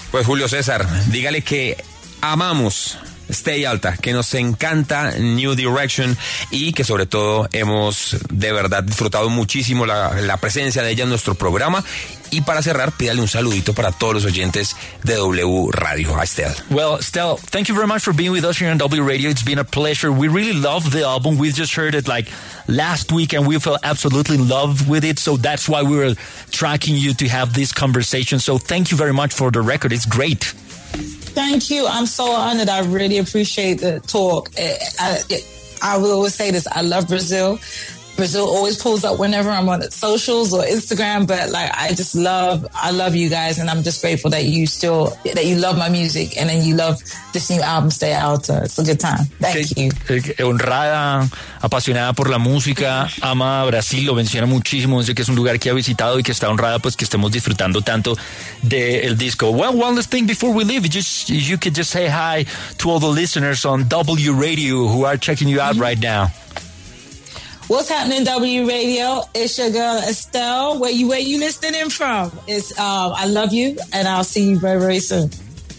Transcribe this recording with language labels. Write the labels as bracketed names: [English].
[Spanish] Pues Julio César, dígale que amamos Stay Alta, que nos encanta New Direction y que sobre todo hemos de verdad disfrutado muchísimo la presencia de ella en nuestro programa. Y para cerrar, pídale un saludito para todos los oyentes de W Radio. [English] Hi, Stell. Well, Stell, thank you very much for being with us here on W Radio. It's been a pleasure. We really love the album. We just heard it like last week and we fell absolutely in love with it. So that's why we were tracking you to have this conversation. So thank you very much for the record. It's great. Thank you. I'm so honored. I really appreciate the talk. I will always say this. I love Brazil. Brazil always pulls up whenever I'm on socials or Instagram. But like, I love you guys. And I'm just grateful that you love my music. And then you love this new album, Stay Alta. It's a good time. Thank you. [Spanish] Honrada, apasionada por la música, ama Brasil, lo menciona muchísimo, dice que es un lugar que ha visitado y que está honrada pues que estemos disfrutando tanto del disco. [English] Well, one last thing before we leave, you could just say hi to all the listeners on W Radio who are checking you out right now. What's happening, W Radio? It's your girl Estelle. Where you listening from? It's I love you, and I'll see you very, very soon.